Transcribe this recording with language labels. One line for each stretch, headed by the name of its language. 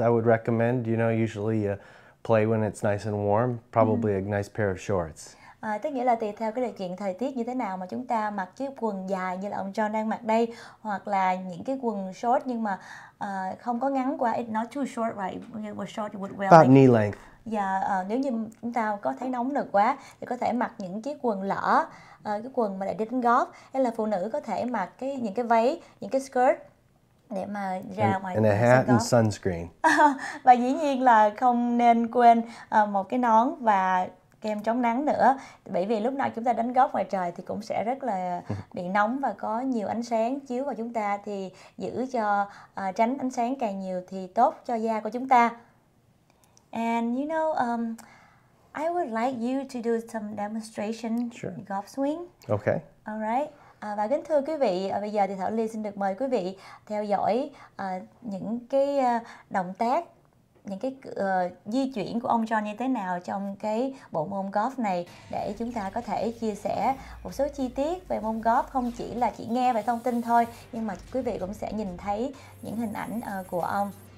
English: I would recommend, you know, usually play when it's nice and warm, probably a nice pair of shorts.
Vietnamese: Tức nghĩa là tùy theo cái điều kiện thời tiết như thế nào mà chúng ta mặc chiếc quần dài như là ông John đang mặc đây, hoặc là những cái quần short nhưng mà không có ngắn quá.
English: It's not too short, right? Well, short would well. About knee length.
Vietnamese: Yeah, nếu như chúng ta có thấy nóng được quá thì có thể mặc những chiếc quần lở, cái quần mà để đi đánh golf. Hay là phụ nữ có thể mặc cái những cái váy, những cái skirt để mà ra
English: and
Vietnamese: ngoài
English: a hat and sunscreen.
Vietnamese: Và dĩ nhiên là không nên quên một cái nón và kem chống nắng nữa, bởi vì lúc nào chúng ta đánh golf ngoài trời thì cũng sẽ rất là bị nóng và có nhiều ánh sáng chiếu vào chúng ta, thì giữ cho tránh ánh sáng càng nhiều thì tốt cho da của chúng ta.
English: And you know, I would like you to do some demonstration sure. golf swing. Okay. All right.
Vietnamese: Và kính thưa quý vị, bây giờ thì Thảo Ly xin được mời quý vị theo dõi những cái động tác, những cái di chuyển của ông John như thế nào trong cái bộ môn golf này, để chúng ta có thể chia sẻ một số chi tiết về môn golf, không chỉ là chỉ nghe về thông tin thôi, nhưng mà quý vị cũng sẽ nhìn thấy những hình ảnh của ông.